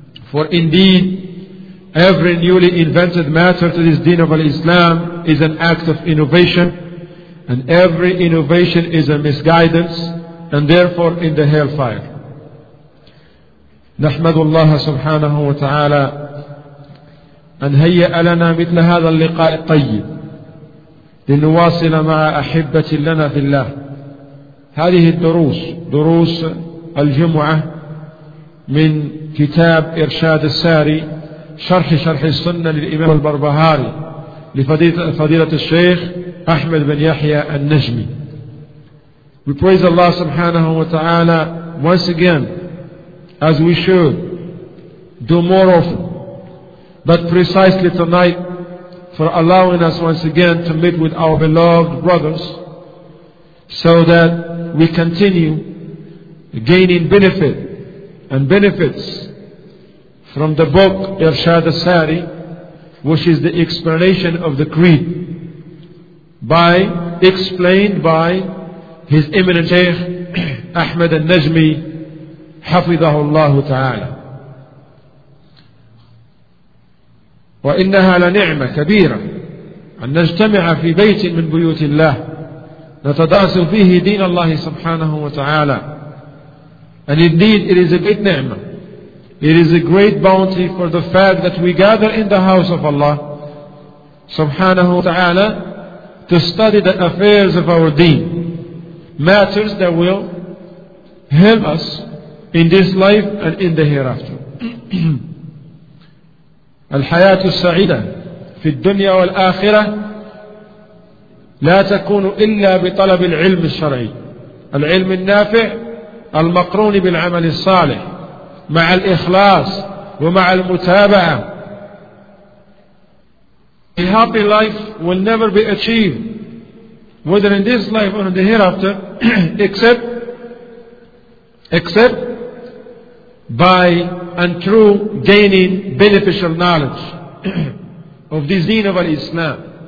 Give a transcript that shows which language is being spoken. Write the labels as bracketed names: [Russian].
[English] For indeed, every newly invented matter to this deen of Al-Islam is an act of innovation, and every innovation is a misguidance, and therefore in the hellfire. [Arabic] نَحْمَدُ اللَّهَ سُبْحَانَهُ وَتَعَالَىٰ أَنْ هَيَّأَ لَنَا مِثْلَ هَذَا اللِّقَاءِ الطَّيِّبِ لنواصل مع أحبة لنا في الله. هذه الدروس، دروس الجمعة من كتاب إرشاد الساري، شرح السنة للإمام البربهاري لفضيلة الشيخ أحمد بن يحيى النجمي. [English] We praise Allah subhanahu wa ta'ala once again, as we should do more often, but precisely tonight, for allowing us once again to meet with our beloved brothers so that we continue gaining benefit and benefits from the book Irshad al-Sari, which is the explanation of the creed explained by His Eminent Shaykh Ahmed al-Najmi Hafidhahullah Ta'ala. [Arabic] وإنها لنعمة كبيرة أن نجتمع في بيت من بيوت الله نتدارس فيه دين الله سبحانه وتعالى. [English] And indeed it is a great ni'mah. It is a great bounty for the fact that we gather in the house of Allah سبحانه وتعالى to study the affairs of our deen, matters that will help us in this life and in the hereafter. [Arabic] الحياة السعيدة في الدنيا والآخرة لا تكون إلا بطلب العلم الشرعي، العلم النافع المقرون بالعمل الصالح مع الإخلاص ومع المتابعة. [English] A happy life will never be achieved whether in this life or in the hereafter except by and through gaining beneficial knowledge of the deen of Islam.